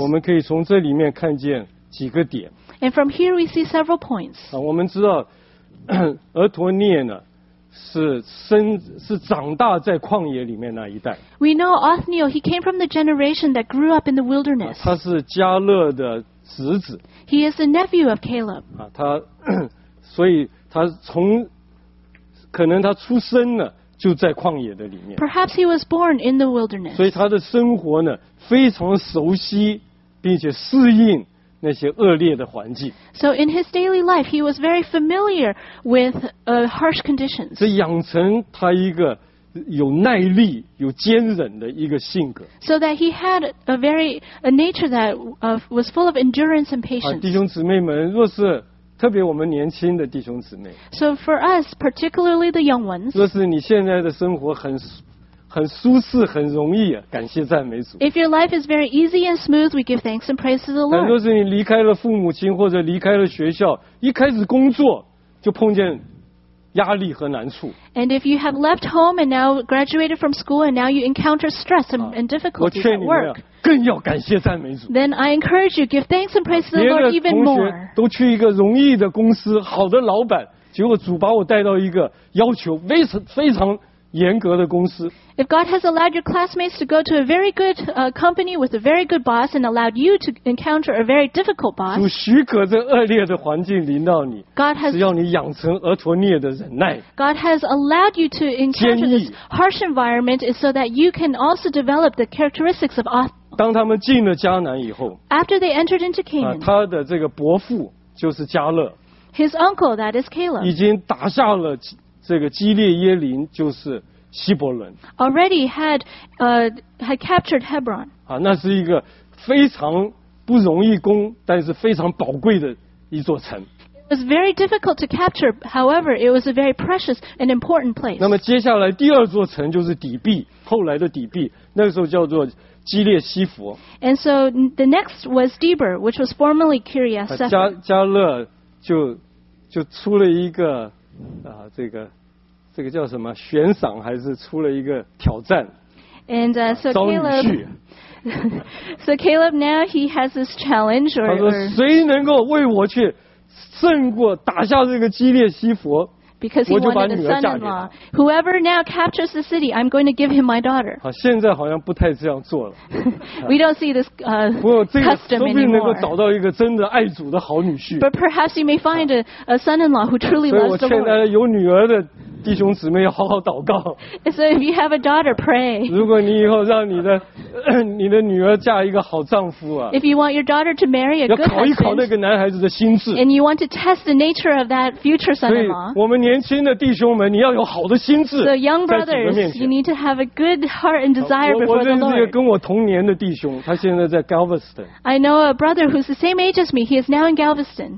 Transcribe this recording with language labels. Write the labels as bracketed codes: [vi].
[zh] 我们可以从这里面看见几个点 [en] ，And from here we see several points. [zh] 我们知道俄陀聂呢。是长大在旷野里面那一代。 [en] We know Othniel, he came from the generation that grew up in the wilderness. [zh] 他是加勒的侄子。 [en] He is the nephew of Caleb. [zh] 他所以他从可能他出生呢就在旷野的里面。 [en] Perhaps he was born in the wilderness. [zh] 所以他的生活呢非常熟悉并且适应。那些恶劣的环境。 [en] So in his daily life, he was very familiar with harsh conditions. [zh] 这养成他一个有耐力、有坚忍的一个性格。 [en] So that he had a nature that was full of endurance and patience. [zh] 弟兄姊妹们，若是特别我们年轻的弟兄姊妹。 [en] So for us, particularly the young ones. [zh] 若是你现在的生活很舒适，很容易、啊，感谢赞美主。 [en] If your life is very easy and smooth, we give thanks and praise to the Lord. [zh] 很多是你离开了父母亲或者离开了学校，一开始工作就碰见压力和难处。 [en] And if you have left home and now graduated from school and now you encounter stress and difficulties at work, [zh] 更要感谢赞美主。 [en] Then I encourage you give thanks and praise to the Lord even more. [zh] 别的同学都去一个容易的公司，好的老板，结果主把我带到一个要求非常非常。严格的公司 [en] If God has allowed your classmates to go to a very good company with a very good boss and allowed you to encounter a very difficult boss, [zh] 主许可这恶劣的环境临到你 [en] God has, [zh] 只要你养成俄陀涅的忍耐 [en] God has allowed you to encounter this harsh environment so that you can also develop the characteristics of [zh] 当他们进了迦南以后 [en] After they entered into Canaan, [zh] 他的这个伯父就是迦勒 [en] His uncle, that is Caleb, [zh] 已经打下了这个基列耶林就是希伯伦 [en] Already had, had captured Hebron. [zh] 啊，那是一个非常不容易攻，但是非常宝贵的一座城。 [en] It was very difficult to capture, however, it was a very precious and important place. [zh] 那么接下来第二座城就是底壁，后来的底壁，那个时候叫做基列西弗。 [en] And so the next was Debir, which was formerly Kiriath Sefer. [zh] 加勒就出了一个这个叫什么悬赏还是出了一个挑战 [en] and, so, Caleb, so Caleb now he has this challenge or, [zh] 他说谁能够为我去胜过打下这个基列西弗 [en] because he wanted a son-in-law whoever now captures the city I'm going to give him my daughter [zh] 好现在好像不太这样做了 [en] we don't see this custom anymore [zh] 说不定能够找到一个真的爱主的好女婿 [en] but perhaps you may find a son-in-law who truly loves the Lord [zh] 所以我劝有女儿的弟兄姊妹要好好祷告 [en] so if you have a daughter pray [zh] 如果你以后让你的你的女儿嫁一个好丈夫啊 [en] if you want your daughter to marry a good husband [zh] 要考一考那个男孩子的心智 [en] and you want to test the nature of that future son-in-law [zh] 所以我们年轻的弟兄们你要有好的心智 [en] so young brothers you need to have a good heart and desire before the Lord [zh] 我认识一个跟我同年的弟兄他现在在 Galveston [en] I know a brother who's the same age as me he is now in Galveston